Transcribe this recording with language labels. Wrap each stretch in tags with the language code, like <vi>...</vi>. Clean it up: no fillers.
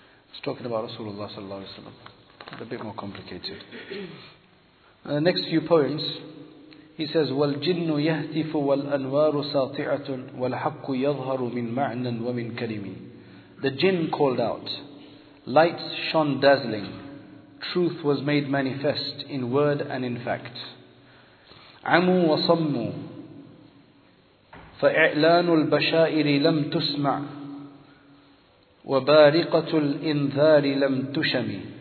<en>It's talking about Rasulullah sallallahu alaihi wasallam. It's a bit more complicated. The next few poems. He says,</en> <ar>وَالْجِنُّ يَهْتِفُ وَالْأَنْوَارُ سَاطِعَةٌ وَالْحَقُّ يَظْهَرُ مِنْ مَعْنًا وَمِنْ كَلِمٍ.</ar> <en>The jinn called out, lights shone dazzling, truth was made manifest in word and in fact.</en> <ar>عَمُوا وَصَمُّوا فَإِعْلَانُ الْبَشَائِرِ لَمْ تُسْمَعُ وَبَارِقَةُ الْإِنْذَارِ لَمْ تُشَمِ.</ar>